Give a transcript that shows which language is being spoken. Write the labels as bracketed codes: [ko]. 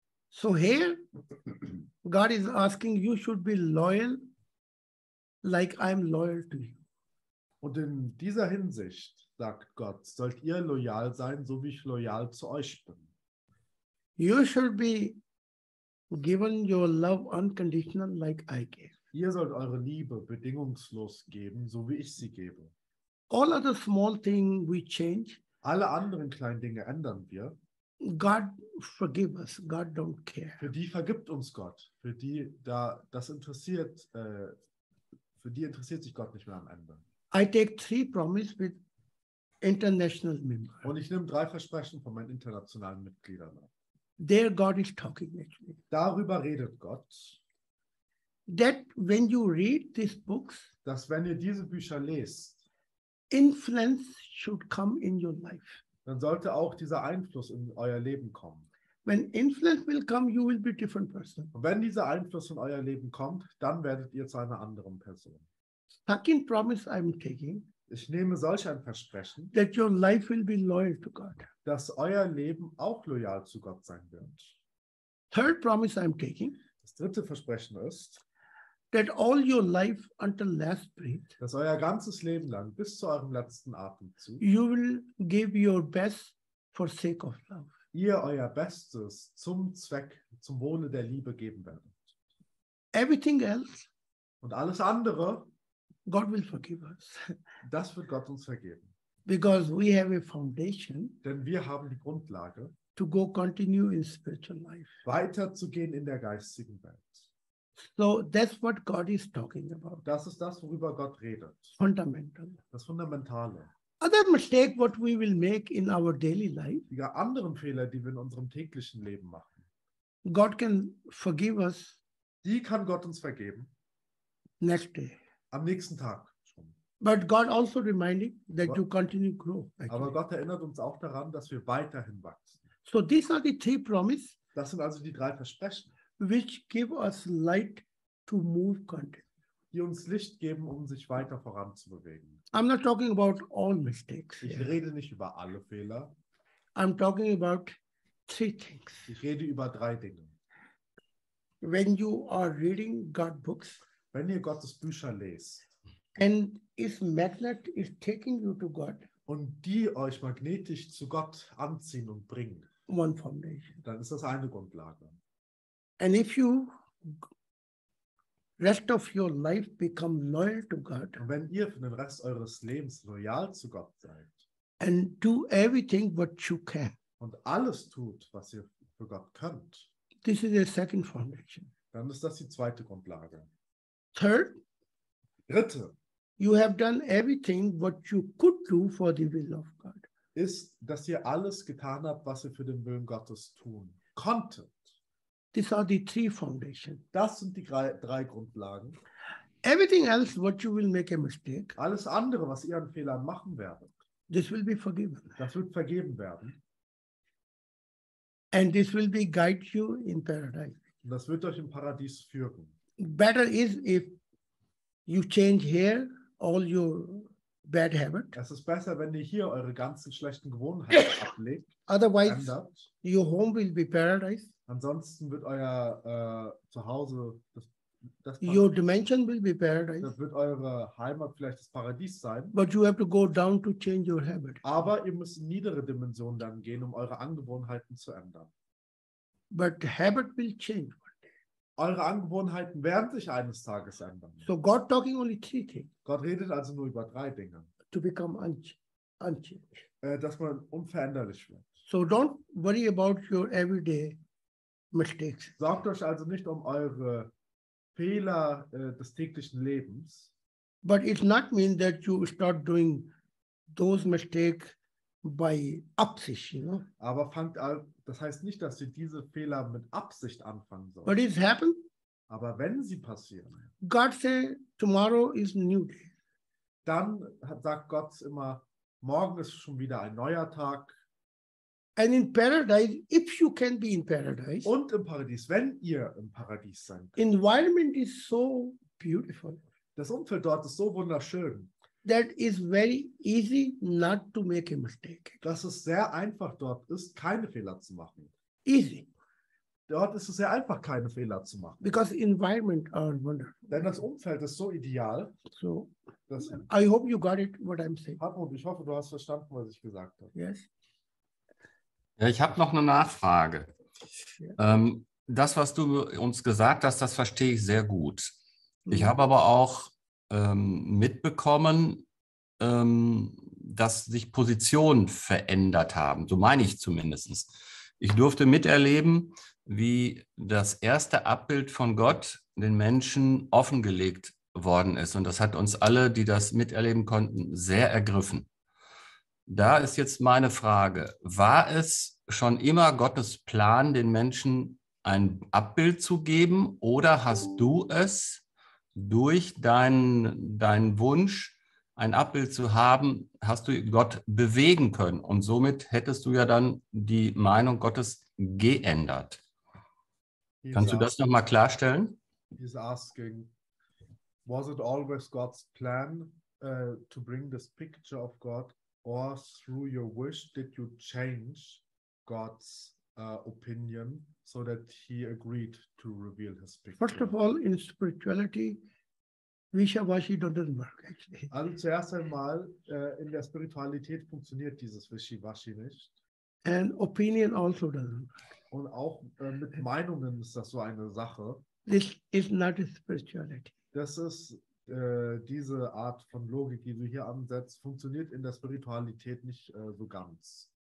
[en] So here, God is asking you should be loyal, like I'm loyal to you. [de] Und in dieser Hinsicht, sagt Gott, sollt ihr loyal sein, so wie ich loyal zu euch bin. [en] You should be given your love unconditional like I gave. [de] Ihr sollt eure Liebe bedingungslos geben, so wie ich sie gebe. [en] All other small things we change. [de] Alle anderen kleinen Dinge ändern wir. [en] God forgive us. God don't care. [de] Für die vergibt uns Gott. Für die da das interessiert. Für die interessiert sich Gott nicht mehr am Ende. [en] I take 3 promise with international members. [de] Und ich nehme 3 Versprechen von meinen internationalen Mitgliedern an. [en] There God is talking actually. [de] Darüber redet Gott. [en] That when you read these books, [de] dass wenn ihr diese Bücher lest, [en] influence should come in your life. [de] Dann sollte auch dieser Einfluss in euer Leben kommen. [en] When influence will come, you will be different person. [de] Und wenn dieser Einfluss in euer Leben kommt, dann werdet ihr zu einer anderen Person. [en] Second promise I'm taking. [de] Ich nehme solch ein Versprechen, [en] that your life will be loyal to God. [de] Dass euer Leben auch loyal zu Gott sein wird. [en] Third promise I'm taking. [de] Das dritte Versprechen ist, [en] that all your life until last breath, [de] dass euer ganzes Leben lang bis zu eurem letzten Atemzug, [en] you will give your best for sake of love. [de] Ihr euer Bestes zum Zweck, zum Wohle der Liebe geben werdet. [en] Everything else. [de] Und alles andere. [en] God will forgive us. [de] Das wird Gott uns vergeben. [en] Because we have a foundation. [de] Denn wir haben die Grundlage. [en] To go continue in spiritual life. [de] Weiterzugehen in der geistigen Welt. [en] So that's what God is talking about. [de] Das ist das, worüber Gott redet. [en] Fundamental. [de] Das Fundamentale. [en] Other mistake what we will make in our daily life. [de] Die anderen Fehler, die wir in unserem täglichen Leben machen. [en] God can forgive us. [de] Die kann Gott uns vergeben. [en] Next day. [de] Am nächsten Tag schon. [en] But God also reminding that you continue to grow. Actually. [de] Aber Gott erinnert uns auch daran, dass wir weiterhin wachsen. [en] So these are the 3 promises. [de] Das sind also die 3 Versprechen. [en] Which give us light to move continually. [de] Die uns Licht geben, um sich weiter voranzubewegen. [en] I'm not talking about all mistakes. [de] Ich rede nicht über alle Fehler. [en] I'm talking about 3 things. [de] Ich rede über 3 Dinge. [en] When you are reading God books. [de] Wenn ihr Gottes Bücher lest, [en] and if magnet is taking you to God, [de] und die euch magnetisch zu Gott anziehen und bringen, [en] one foundation. [de] Dann ist das eine Grundlage. [en] And if you rest of your life become loyal to God, [de] und wenn ihr für den Rest eures Lebens loyal zu Gott seid, [en] and do everything what you can, [de] und alles tut, was ihr für Gott könnt, [en] this is the second foundation. [de] Dann ist das die zweite Grundlage. [en] Third, [de] dritte, [en] you have done everything what you could do for the will of God. [de] Ist, dass ihr alles getan habt, was ihr für den Willen Gottes tun konntet. [en] These are the 3 foundations. [de] Das sind die 3 Grundlagen. [en] Everything else, what you will make a mistake. [de] Alles andere, was ihr an Fehlern machen werdet. [en] This will be forgiven. [de] Das wird vergeben werden. [en] And this will be guide you in paradise. [de] Das wird euch im Paradies führen. [en] Better is if you change here all your bad habit. [de] Es ist besser, wenn ihr hier eure ganzen schlechten Gewohnheiten ablegt. [en] Otherwise, ändert. Your home will be paradise. [de] Ansonsten wird euer Zuhause das [en] Paradies. Your dimension will be paradise. [de] Das wird eure Heimat vielleicht das Paradies sein. [en] But you have to go down to change your habit. [de] Aber ihr müsst in niedere Dimensionen dann gehen, um eure Angewohnheiten zu ändern. [en] But habit will change. [de] Eure Angewohnheiten werden sich eines Tages ändern. [en] So God talking only three things. [de] Gott redet also nur über drei Dinge. [en] To become unchanged. [de] Dass man unveränderlich wird. [en] So don't worry about your everyday mistakes. [de] Sorgt euch also nicht um eure Fehler des täglichen Lebens. [en] But it not mean that you start doing those mistakes by Absicht, you know? [de] Aber fangt an, das heißt nicht, dass sie diese Fehler mit Absicht anfangen sollen. [en] But it's happened. [de] Aber wenn sie passieren. [en] God say, tomorrow is new day. [de] Dann sagt Gott immer, morgen ist schon wieder ein neuer Tag. [en] And in paradise, if you can be in paradise. [de] Und im Paradies, wenn ihr im Paradies sein könnt. [en] Environment is so beautiful. [de] Das Umfeld dort ist so wunderschön. [en] That is very easy not to make a mistake. [de] Dass es sehr einfach dort ist, keine Fehler zu machen. [en] Easy. [de] Dort ist es sehr einfach, keine Fehler zu machen. [en] Because the environment are wonderful. [de] Denn das Umfeld ist so ideal. [en] So, I hope you got it, what I'm saying. [de] Hartmut, ich hoffe, du hast verstanden, was ich gesagt habe. [en] Yes. [de] Ja, ich habe noch eine Nachfrage. Yeah. Das, was du uns gesagt hast, das verstehe ich sehr gut. Ich habe aber auch mitbekommen, dass sich Positionen verändert haben. So meine ich zumindest. Ich durfte miterleben, wie das erste Abbild von Gott den Menschen offengelegt worden ist. Und das hat uns alle, die das miterleben konnten, sehr ergriffen. Da ist jetzt meine Frage. War es schon immer Gottes Plan, den Menschen ein Abbild zu geben? Oder hast du es durch deinen Wunsch, ein Abbild zu haben, hast du Gott bewegen können? Und somit hättest du ja dann die Meinung Gottes geändert. Kannst du das nochmal klarstellen? [en] He's asking, was it always God's plan to bring this picture of God, or through your wish did you change God's opinion so that he agreed to reveal his picture? First of all, in spirituality, Wishawashi doesn't work, actually. [de] Also zuerst einmal, in der Spiritualität funktioniert dieses Wishiwashi nicht. [en] And opinion also doesn't work. [de] Und auch mit Meinungen ist das so eine Sache. [en] This is not a spirituality. [de] Das ist diese Art von Logik, die du hier ansetzt, funktioniert in der Spiritualität nicht so ganz.